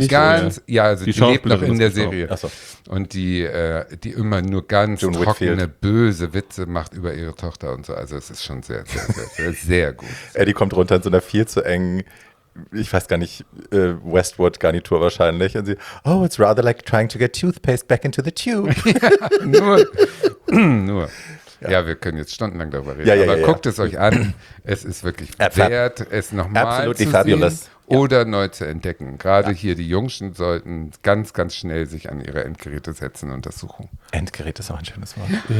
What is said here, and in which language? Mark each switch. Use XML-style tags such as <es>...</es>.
<de>die ganz, ist, ja, also die lebt noch in der Serie. Ach so. Und die immer nur ganz June trockene, Whitfield. Böse Witze macht über ihre Tochter und so. Also es ist schon sehr, sehr, sehr, sehr gut. Eddie kommt runter in so einer viel zu engen, ich weiß gar nicht, Westwood-Garnitur wahrscheinlich. Und sie,</de> <en>oh, it's rather like trying to get toothpaste back into the tube.</en> <de>nur. Ja, wir können jetzt stundenlang darüber reden, aber guckt es euch an, es ist wirklich wert, es nochmal zu sehen</de> <en>fabulous.</en> <de>Oder neu zu entdecken. Gerade hier, die Jungschen sollten ganz, ganz schnell sich an ihre Endgeräte setzen und das suchen. Endgerät ist auch ein schönes Wort.</de>